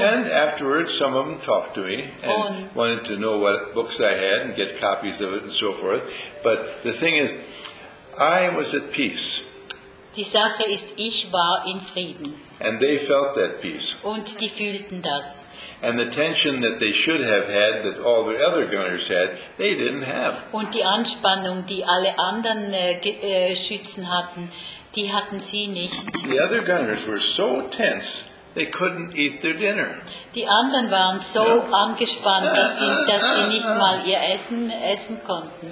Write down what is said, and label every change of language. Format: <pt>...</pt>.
<en>And afterwards some of them talked to me and wanted to know what books I had and get copies of it and so forth. But the thing is, I was at peace.</en> <de>Die Sache ist, ich war in Frieden.</de> <en>And they felt that peace.</en> <de>Und die fühlten das.</de> <en>And the tension that they should have had, that all the other gunners had, they didn't have.</en> <de>Und die Anspannung, die alle anderen Schützen hatten, die hatten sie nicht.</de> <en>The other gunners were so tense, they couldn't eat their dinner.</en> <de>Die anderen waren so angespannt, dass sie nicht mal ihr Essen konnten.</de>